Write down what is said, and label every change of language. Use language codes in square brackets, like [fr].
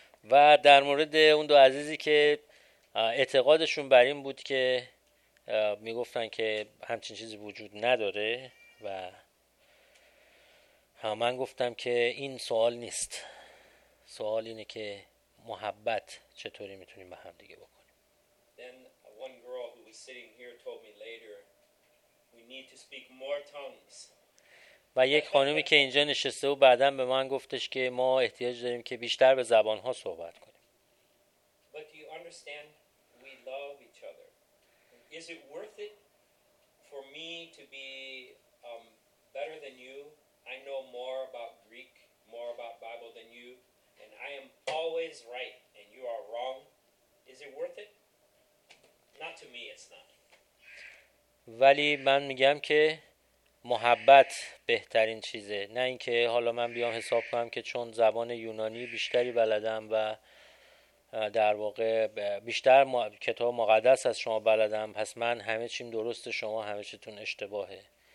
[fa] و در مورد اون دو عزیزی که اعتقادشون بر این بود که میگفتن که همچین چیزی وجود نداره و من گفتم که این سوال نیست، سوال اینه که محبت چطوری میتونیم با هم دیگه بکنیم. [en] Then one girl who was sitting here told me later we need to speak more tongues. [fa] و یک خانومی که اینجا نشسته و بعداً به من گفتش که ما احتیاج داریم که بیشتر به زبانها صحبت کنیم. [en] But do you understand we love each other? Is it worth it for me to be better than you I know more about Greek, more about Bible than you, and I am always right and you are wrong. Is it worth it? Not to me, it's not. [fa] ولی من میگم که محبت بهترین چیزه، نه اینکه حالا من بیام حساب کنم که چون زبان یونانی بیشتری بلدم و در واقع بیشتر کتاب مقدس از شما بلدم پس من همه چیم درست، شما همه چیتون اشتباهه.